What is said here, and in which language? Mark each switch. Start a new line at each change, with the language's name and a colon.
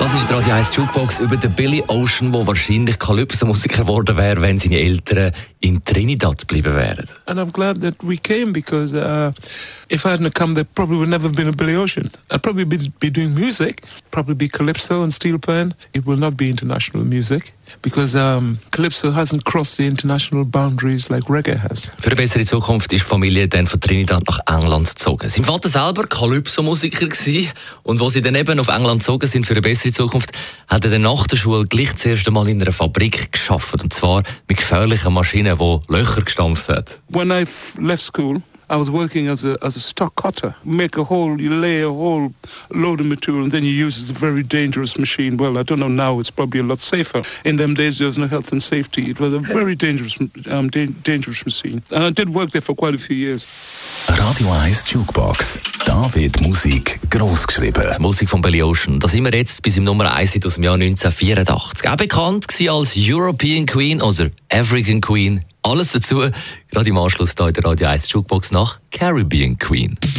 German: Radio 1 Jukebox über den Billy Ocean, der wahrscheinlich Kalypso-Musiker geworden wäre, wenn seine Eltern in Trinidad geblieben wären.
English: And I'm glad that we came, because if I hadn't come, there probably would never have been a Billy Ocean. I'd probably be doing music, probably be Calypso and Steel Pan. It will not be international music, because Calypso hasn't crossed the international boundaries like Reggae has.
German: Für eine bessere Zukunft ist die Familie dann von Trinidad nach England gezogen. Sein Vater selber Kalypso-Musiker gsi, und wo sie dann eben auf England gezogen sind für eine bessere Zukunft, hat er dann nach der Schule gleich das erste Mal in einer Fabrik geschafft, und zwar mit gefährlichen Maschinen, die Löcher gestampft hat.
English: When I left school, I was working as a stock cutter. Make a hole, you lay a whole load of material, and then you use a very dangerous machine. Well, I don't know now, it's probably a lot safer. In them days, there was no health and safety. It was a very dangerous dangerous machine. And I did work there for quite a few years.
German: Radio 1 Jukebox. Da wird Musik gross geschrieben. Die Musik von Billy Ocean. Da sind wir jetzt bis im Nummer 1 aus dem Jahr 1984. Auch bekannt gewesen als European Queen oder African Queen. Alles dazu, gerade im Anschluss hier in der Radio 1 Jukebox nach Caribbean Queen.